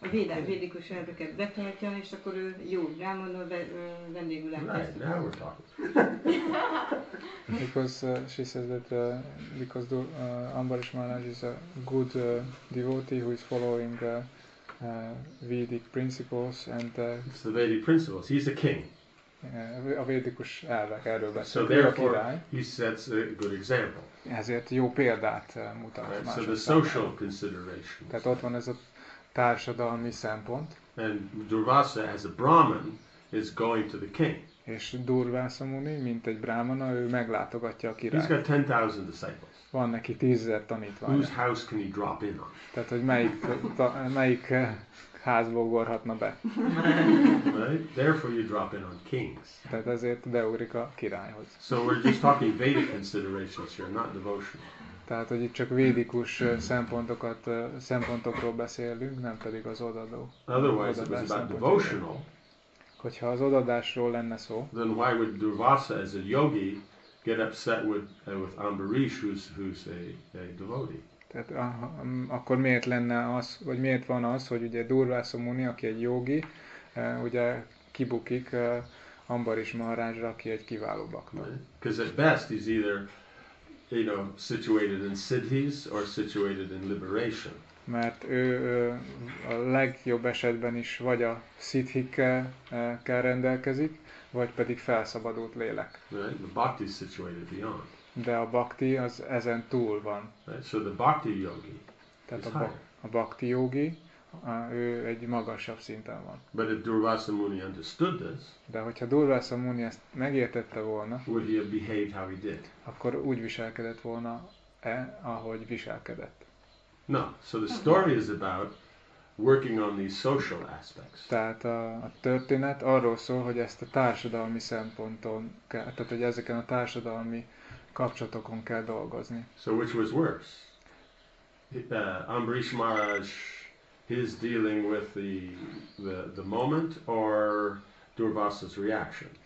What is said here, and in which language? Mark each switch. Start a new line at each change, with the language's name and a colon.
Hungarian: a védikus erdőket betartja, és akkor ő jó, rámondva vendégül elkezdődik.
English: Because she says that because Ambarish Maharaj is a good devotee who is following Vedic principles and it's the Vedic principles. He's the king.
Hungarian: A védikus elvek, erről beszélt.
English: So therefore, he sets a good example.
Hungarian: Ezért jó példát mutat. Right.
English: So the social considerations.
Hungarian: Tehát ott van ez a társadalmi szempont.
English: And Durvasa, as a Brahmin, is going to the king.
Hungarian: És Durvasa Muni, mint egy brahmana, ő meglátogatja a királyt.
English: He's got 10,000 disciples.
Hungarian: Van neki 10,000 tanítvány.
English: Whose house can he drop in on?
Hungarian: Tehát, hogy melyik házba ugorhatna be.
English: Right? Therefore you drop in on kings.
Hungarian: Tehát ezért beugrik a királyhoz.
English: So we're just talking Vedic considerations here, not devotional.
Hungarian: Tehát, hogy itt csak védikus szempontokról beszélünk, nem pedig az odadó.
English: Otherwise it was about devotional.
Hungarian: Hogyha az odadásról lenne szó.
English: Then why would Durvasa as a yogi get upset with Ambarish who's a devotee?
Hungarian: Tehát akkor miért lenne az, vagy miért van az, hogy ugye Durvasa Muni, aki egy jógi, ugye kibukik Ambarish Maharajra, aki egy kiváló bakta.
English: Because at best he's either, you know, situated in siddhis or situated in liberation.
Hungarian: Mert ő a legjobb esetben is vagy a siddhikkel rendelkezik, vagy pedig felszabadult lélek.
English: Right? The bhakti is situated beyond.
Hungarian: De a bhakti az ezen túl van.
English: So the bhakti yogi.
Hungarian: Tehát a bhakti yogi, ő egy magasabb szinten van.
English: But if Durvasa Muni understood this,
Hungarian: de hogyha Durvasa Muni ezt megértette volna,
English: would he have behaved how he did?
Hungarian: Akkor úgy viselkedett volna, ahogy viselkedett.
English: No, so the story is about working on these social aspects.
Hungarian: Tehát a történet arról szól, hogy ezt a társadalmi szemponton, tehát hogy ezeken a társadalmi kapcsolatokon kell dolgozni.
English: So which was worse? Ambarish Maharaj, his dealing with the moment, or Durvasa's reaction?